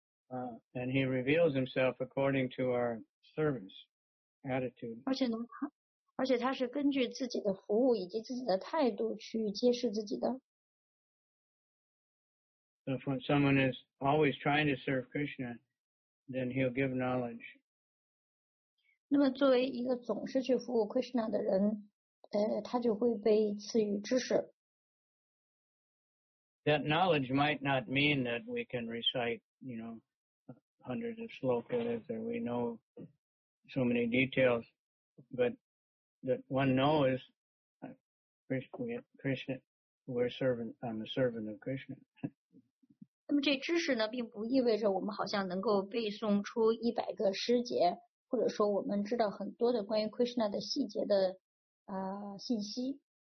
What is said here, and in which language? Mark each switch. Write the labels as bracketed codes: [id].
[en] And he reveals himself according to our service attitude. [zh] 而且他是根据自己的服务以及自己的态度去揭示自己的。 [en] So if someone is always trying to serve Krishna, then he'll give knowledge. [zh] 那么作为一个总是去服务Krishna的人, 他就会被赐予知识。 [en] That knowledge might not mean that we can recite, you know, hundreds of slokas, or we know so many details, but that one knows Krishna, I'm a servant of Krishna. [zh] 那么这知识呢, 并不意味着我们好像能够背诵出100个诗节，或者说我们知道很多的关于Krishna的细节的信息。